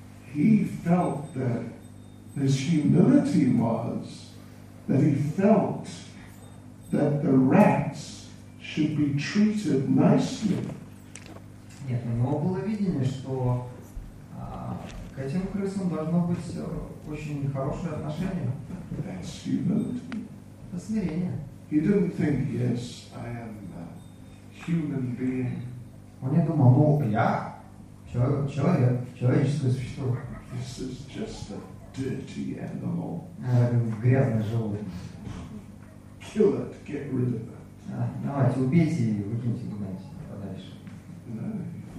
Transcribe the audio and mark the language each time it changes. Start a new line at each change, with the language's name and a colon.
English: He felt that his humility was that he felt that the rats should be treated nicely.
Russian: Нет, у него было видение, что к этим крысам должно быть очень хорошее отношение.
English: That's humility.
Russian: Это смирение.
English: He didn't think, yes, I am a human being.
Russian: Он не думал, ну, я человек, человеческое существо.
English: This is just a dirty animal.
Russian: Грязное животное.
English: Kill it, get rid of it.
Russian: Давайте, убейте и выкиньте куда-нибудь подальше.